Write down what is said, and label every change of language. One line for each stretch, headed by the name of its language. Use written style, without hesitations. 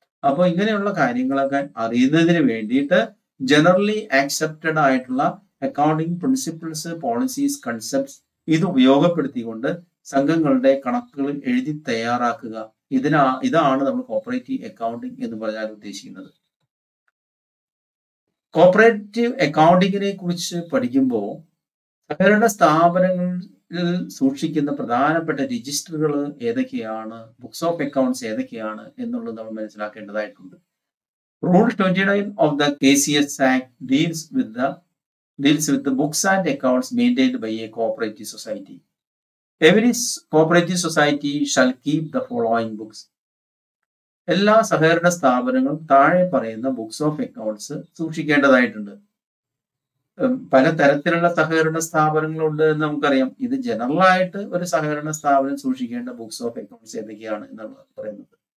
Malayalam: അപ്പോൾ ഇങ്ങനെയുള്ള കാര്യങ്ങളൊക്കെ അറിയുന്നതിന് വേണ്ടിയിട്ട് ജനറലി ആക്സെപ്റ്റഡ് ആയിട്ടുള്ള അക്കൗണ്ടിങ് പ്രിൻസിപ്പിൾസ്, പോളിസീസ്, കൺസെപ്റ്റ്സ് ഇത് ഉപയോഗപ്പെടുത്തിക്കൊണ്ട് സംഘങ്ങളുടെ കണക്കുകൾ എഴുതി തയ്യാറാക്കുക, ഇതാണ് നമ്മൾ കോഓപ്പറേറ്റീവ് അക്കൗണ്ടിങ് എന്ന് പറഞ്ഞാൽ ഉദ്ദേശിക്കുന്നത്. കോഓപ്പറേറ്റീവ് അക്കൗണ്ടിങ്ങിനെ കുറിച്ച് പഠിക്കുമ്പോൾ സഹകരണ സ്ഥാപനങ്ങളിൽ സൂക്ഷിക്കുന്ന പ്രധാനപ്പെട്ട രജിസ്റ്ററുകൾ ഏതൊക്കെയാണ്, ബുക്സ് ഓഫ് അക്കൗണ്ട്സ് ഏതൊക്കെയാണ് എന്നുള്ളത് നമ്മൾ മനസ്സിലാക്കേണ്ടതായിട്ടുണ്ട്.
English: Rule 29 of the KCS Act deals with the books and accounts maintained by a cooperative society. Every cooperative society shall keep the following books.
Malayalam: എല്ലാ സഹകരണ സ്ഥാപനങ്ങളും താഴെ പറയുന്ന ബുക്സ് ഓഫ് അക്കൗണ്ട്സ് സൂക്ഷിക്കേണ്ടതായിട്ടുണ്ട്. പലതരത്തിലുള്ള സഹകരണ സ്ഥാപനങ്ങളുണ്ട് എന്ന് നമുക്കറിയാം. ഇത് ജനറൽ ആയിട്ട് ഒരു സഹകരണ സ്ഥാപനം സൂക്ഷിക്കേണ്ട ബുക്സ് ഓഫ് അക്കൗണ്ട്സ് ഏതൊക്കെയാണ് എന്നാണ് പറയുന്നത്.